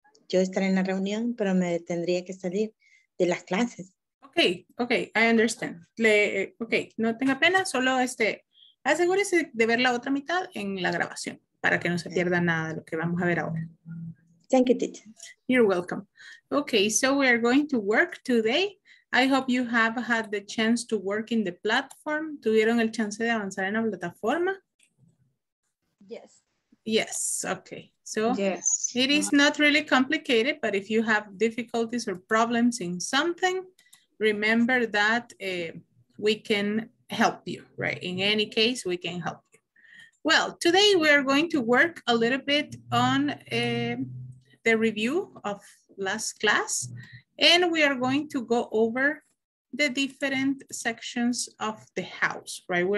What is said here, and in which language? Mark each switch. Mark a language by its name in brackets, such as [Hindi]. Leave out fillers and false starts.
[Spanish] Yo estaré en la reunión, pero me tendría que salir de las clases. [English] Okay, okay, I understand. [Spanish] Okay, no tenga pena, solo asegúrese de ver la otra mitad en la grabación para que no se pierda nada de lo que vamos a ver ahora. [English] Thank you, teacher. You're welcome. Okay, so we are going to work today. I hope you have had the chance to work in the platform. [Spanish] ¿Tuvieron el chance de avanzar en la plataforma? [English] Yes. Yes, okay. So yes. It is not really complicated, but if you have difficulties or problems in something, remember that we can help you, right? In any case, we can help you. Well, today we are going to work a little bit on the review of last class, and we are going to go over the different sections of the house, right?